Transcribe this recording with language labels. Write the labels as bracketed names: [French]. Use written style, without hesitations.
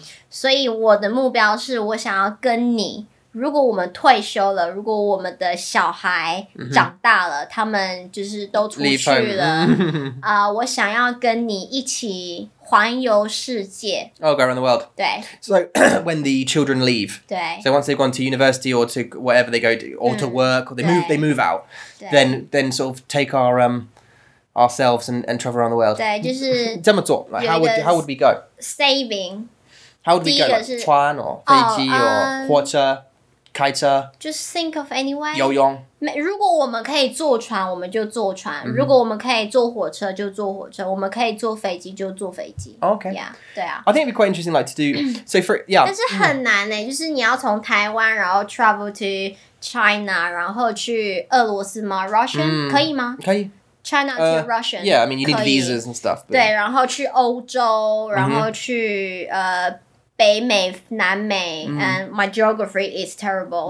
[Chinese] 所以我的目标是我想要跟你, 如果我们退休了, 如果我们的小孩长大了, 他们就是都出去了, 我想要跟你一起环游世界. [English] Oh, go around the world. [Chinese] 对. [English] So when the children leave, [Chinese] 对. [English] So once they've gone to university or to whatever they go to, or to work, or they move out, then sort of take our... ourselves and travel around the world. [Chinese] 对,就是...这么做, [English] like, how would we go? Saving. How would we go? Like, 船, or 飞机, or 火车, 开车? Just think of anyway. [Chinese] 游泳. 如果我们可以坐船, 我们就坐船.如果我们可以坐火车,就坐火车. 我们可以坐飞机,就坐飞机. [English] Okay. Yeah, [Chinese] 对啊. [English] I think it'd be quite interesting, like, to do... so for... Yeah. [Chinese] 但是很难耶, 就是你要从台湾, 然后 [English] travel to China, [Chinese] 然后去俄罗斯吗?Russian? 可以吗? 可以. [English] China to Russian. Yeah, I mean, you need visas and stuff. [Chinese] 对,然后去欧洲,然后去 北美,南美, [English] and my geography is terrible.